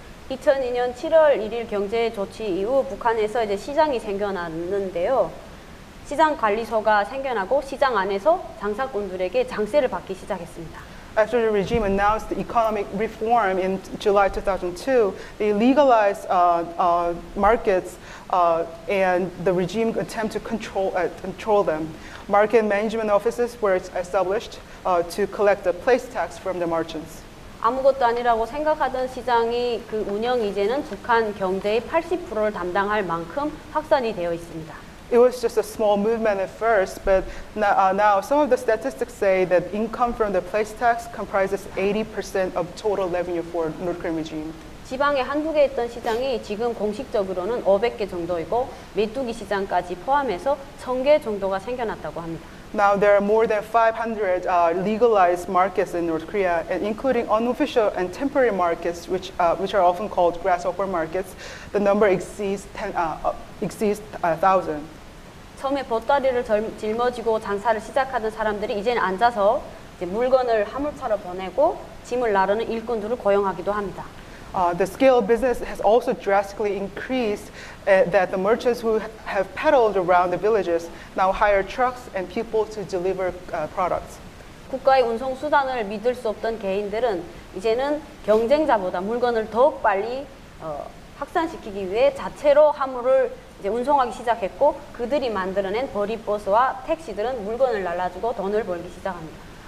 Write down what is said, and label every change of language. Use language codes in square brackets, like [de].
[ko] 2002년 7월 1일 경제 조치 이후 북한에서 이제 시장이 생겨났는데요. 시장 관리소가 생겨나고 시장 안에서 장사꾼들에게 장세를 받기 시작했습니다. [en] After the regime announced the economic reform in July 2002, they legalized markets and the regime attempted to control them. Market management offices were established to collect the place tax from the merchants. [ko] 아무것도 아니라고 생각하던 시장이 그 운영 이제는 북한 경제의 80%를 담당할 만큼 확산이 되어 있습니다. [en] It was just a small movement at first, but now some of the statistics say that income from the place tax comprises 80% of total revenue for North Korean regime. [ko] 지방에 한두 개 있던 시장이 지금 공식적으로는 500개 정도이고 메뚜기 시장까지 포함해서 1,000개 정도가 생겨났다고 합니다. [en] Now there are more than 500 legalized markets in North Korea, and including unofficial and temporary markets, which are often called grasshopper markets, the number exceeds 1,000. [ko] 처음에 보따리를 짊어지고 장사를 시작하던 사람들이 이제는 앉아서 이제 물건을 화물차로 보내고 짐을 나르는 일꾼들을 고용하기도 합니다. [en] The scale of business has also drastically increased that the merchants who have peddled around the villages now hire trucks and people to deliver products. [ko] 국가의 운송 수단을 믿을 수 없던 개인들은 이제는 경쟁자보다 물건을 더욱 빨리 확산시키기 위해 자체로 화물을 이제 운송하기 시작했고 그들이 만들어낸 버리버스와 택시들은 물건을 날라주고 돈을 벌기 시작합니다.